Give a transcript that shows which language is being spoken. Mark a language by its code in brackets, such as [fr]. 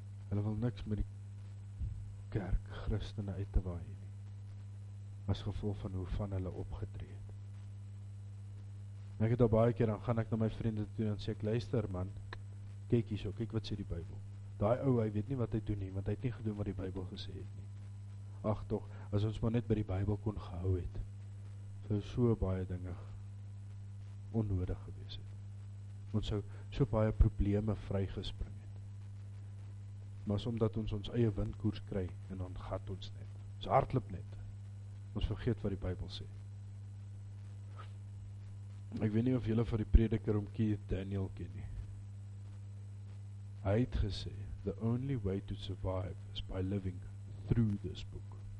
[af] Hulle wil niks met die kerk Christene uit te waai. As gevolg van hoe van hulle opgetree het. Ek het al baie keer, dan gaan ek na my vriende toe en sê ek, luister man, kyk hier so, kyk wat sê die Bybel. Daai ou, hy weet nie wat hy doen nie, want hy het nie gedoen wat die Bybel gesê het nie. Ag tog, as ons maar net by die Bybel kon gehou het, sou so baie dinge onnodig gewees het. Ons sou so baie probleme vrygespring het. Maar is omdat ons ons eie windkoers kry, en dan gat ons net. Ons hardloop net. Ons vergeet wat die Bybel sê. Ek weet nie of julle vir die prediker om Keith Daniel ken nie. Hy het gesê, [en] the only way to survive is by living through this book.